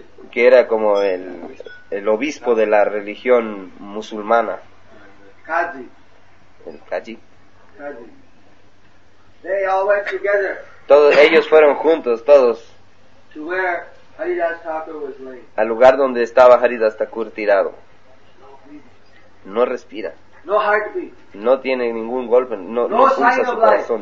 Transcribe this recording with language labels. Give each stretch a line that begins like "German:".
Spanish: Que era como el obispo de la religión musulmana. El Qadi.
English: They all went together.
Spanish: Ellos fueron juntos, todos.
English: To where Haridas Thakur was laid.
Spanish: Al lugar donde estaba Haridas Thakur tirado. No respira.
English: No heartbeat.
Spanish: No tiene ningún golpe, no pulsa su corazón,